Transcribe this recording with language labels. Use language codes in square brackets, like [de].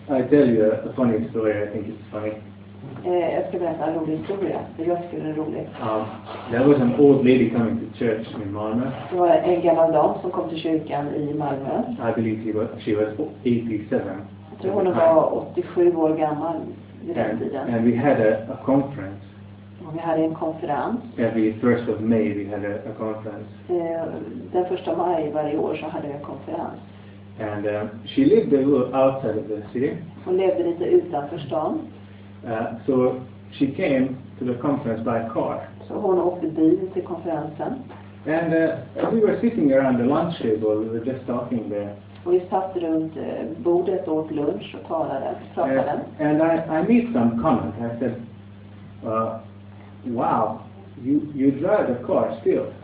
[en] I tell you a funny story, I think it's funny. [sv] Jag ska berätta en rolig historia. Jag tycker det är roligt. [en] There was an old lady coming to church in Malmö. [sv] Det var en gammal dam som kom till kyrkan i Malmö. [en] I believe she was 87. [sv] Hon var 87 år gammal vid den tiden. [en] And we had a conference. [sv] Och vi hade en konferens. [en] Every 1st of May we had a conference. [sv] Den 1 maj varje år så hade vi en konferens. [en] And she lived a little outside of the city. [sv] Hon levde lite utanför stan. [en] So she came to the conference by car. [sv] Så hon åkte bil till konferensen. [en] And we were sitting around the lunch table, we were just talking there. [sv] Och vi satt runt bordet och åt lunch och talade, pratade. [en] And I made some comment. I said, wow, you drive a car still.